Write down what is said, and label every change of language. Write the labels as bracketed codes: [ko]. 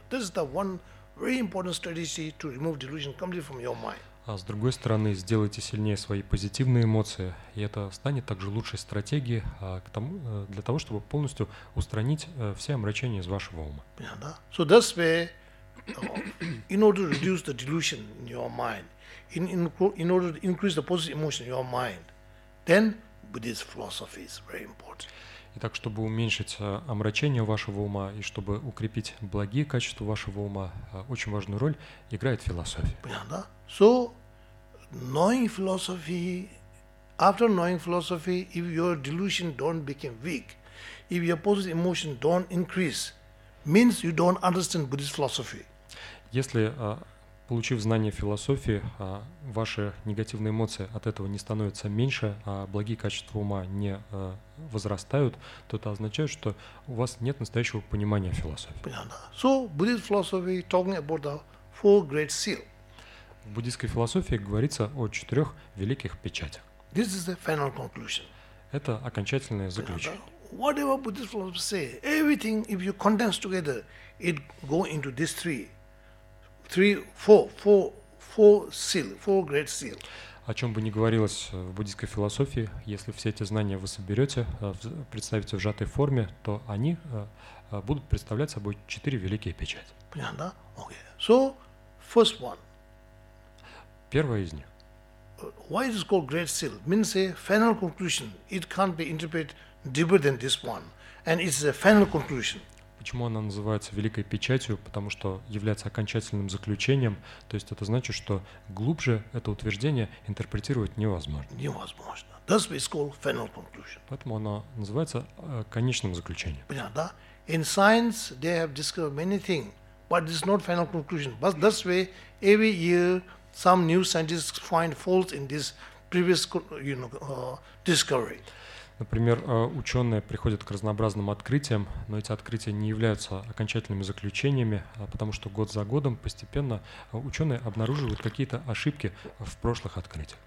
[en] This is the one very important strategy to remove delusion completely from your mind. [ru] А с другой стороны, сделайте сильнее свои позитивные эмоции, и это станет также лучшей стратегией для того, чтобы полностью устранить все омрачения из вашего ума. Понятно? [en] So that's where, in order to reduce the delusion in your mind, in order to increase the positive emotion in your mind, then Buddhist philosophy is very important. [ru] Итак, чтобы уменьшить омрачение вашего ума и чтобы укрепить благие качества вашего ума, очень важную роль играет философия. Понятно? [en] So, knowing philosophy, after knowing philosophy, if your delusion don't become weak, if your positive emotion don't increase, means you don't understand Buddhist philosophy. [ru] Если, получив знание философии, ваши негативные эмоции от этого не становятся меньше, а благие качества ума не возрастают, то это означает, что у вас нет настоящего понимания философии. Понятно. [en] So, Buddhist philosophy talking about the four great seals. [ru] В буддийской философии говорится о четырех великих печатях. [en] This is the final conclusion. [ru] Это окончательное заключение. [en] Whatever Buddhist philosophy say, everything, if you condense together, it go into these four seal, four great seal. [ru] О чем бы ни говорилось в буддийской философии, если все эти знания вы соберете, представите в сжатой форме, то они будут представлять собой четыре великие печати. Понятно, да? [en] Okay. So, first one. [ru] Первая из них. [en] Why is it called great seal? Means a final conclusion. It can't be interpreted deeper than this one. And it's a final conclusion. [ru] Почему она называется великой печатью? Потому что является окончательным заключением. То есть это значит, что глубже это утверждение интерпретировать невозможно. Невозможно. [en] That's why it's called final conclusion. [ru] Поэтому она называется конечным заключением. Понятно, да? [en] In science, they have discovered many things. But it's not final conclusion. But that's why every year some new scientists find faults in this previous, you know, discovery. [ru] Например, ученые приходят к разнообразным открытиям, но эти открытия не являются окончательными заключениями, потому что год за годом постепенно ученые обнаруживают какие-то ошибки в прошлых открытиях.